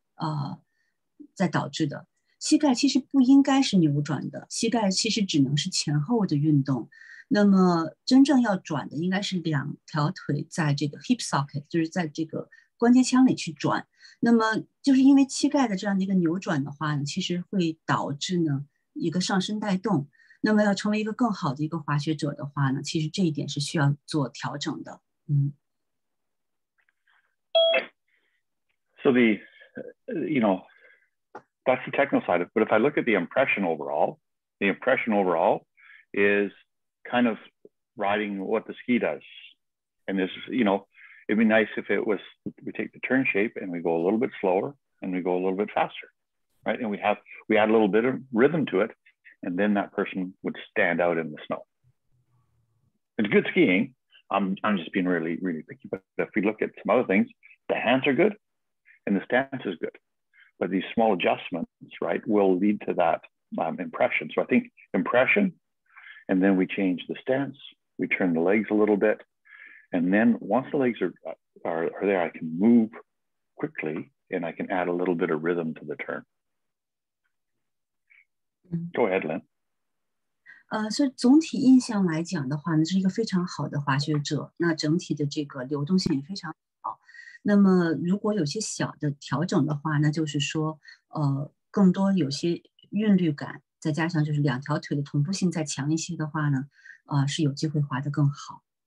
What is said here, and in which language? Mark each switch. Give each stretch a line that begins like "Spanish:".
Chinese: 那第二件事情他要看的呢，他现在画了两条线，其中第一条线就是在这边这条线的话呢，可以看得到这个雪板行进方向是这样子的。那第二条线的话是朝这个方向的，所以这两个雪板行进方向不一样呢，是由于它的膝盖在导致的。膝盖其实不应该是扭转的，膝盖其实只能是前后的运动。那么真正要转的应该是两条腿在这个 hip socket， 就是在这个关节腔里去转。那么就是因为膝盖的这样的一个扭转的话呢，其实会导致呢一个上升带动。那么要成为一个更好的一个滑雪者的话呢，其实这一点是需要做调整的。嗯。So
English: the, you know. That's the technical side of it. But if I look at the impression overall is kind of riding what the ski does. And this, you know, it'd be nice if it was, we take the turn shape and we go a little bit slower and we go a little bit faster, right? And we add a little bit of rhythm to it. And then that person would stand out in the snow. It's good skiing. I'm just being really, really picky. But if we look at some other things, the hands are good and the stance is good. But these small adjustments, right, will lead to that impression. So I think impression, and then we change the stance, we turn the legs a little bit. And then once the legs are there, I can move quickly and I can add a little bit of rhythm to the turn. Go ahead, Lynn.
Chinese: 所以总体印象来讲的话呢，是一个非常好的滑雪者，那整体的这个流动性也非常好。那么如果有些小的调整的话，那就是说更多有些韵律感，再加上就是两条腿的同步性再强一些的话呢，是有机会滑得更好。